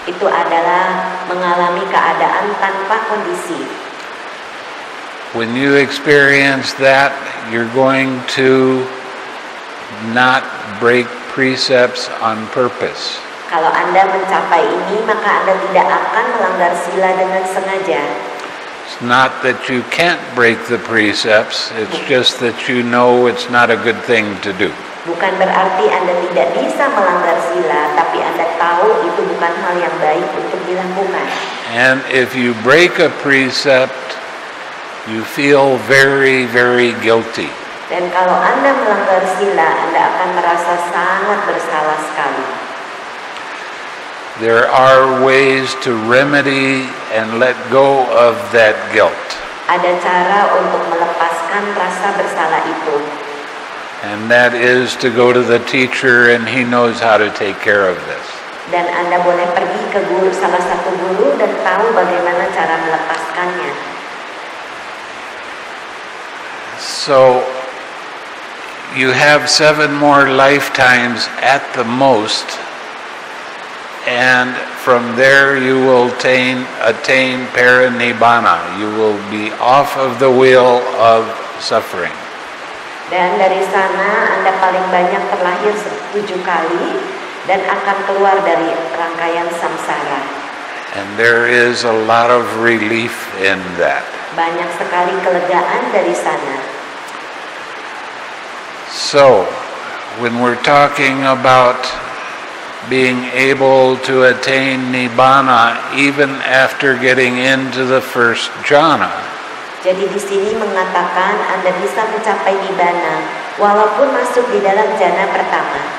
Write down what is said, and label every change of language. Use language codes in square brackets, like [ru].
[id] Itu adalah mengalami keadaan tanpa kondisi. [en] When you experience that, you're going to not break precepts on purpose. [id] Kalau Anda mencapai ini, maka Anda tidak akan melanggar sila dengan sengaja. [en] It's not that you can't break the precepts, it's just that you know it's not a good thing to do. [id] Bukan berarti Anda tidak bisa melanggar sila, tapi Anda tahu itu bukan hal yang baik untuk dilakukan. [en] And if you break a precept, you feel very, very guilty. [id] Dan kalau Anda melanggar sila, Anda akan merasa sangat bersalah sekali. [en] There are ways to remedy and let go of that guilt. [id] Ada cara untuk melepaskan rasa bersalah itu. [en] And that is to go to the teacher, and he knows how to take care of this. [id] Dan Anda boleh pergi ke guru, salah satu guru, dan tahu bagaimana cara melepaskannya. [en] So you have 7 more lifetimes at the most, and from there you will attain parinibbana. You will be off of the wheel of suffering. [id] Dan dari sana Anda paling banyak terlahir 7 kali dan akan keluar dari rangkaian samsara. [en] And there is a lot of relief in that. [id] Banyak sekali kelegaan dari sana. [en] So, when we're talking about being able to attain Nibbana even after getting into the first jhana, [id] jadi di sini mengatakan Anda bisa mencapai Nibbana walaupun masuk di dalam jhana pertama.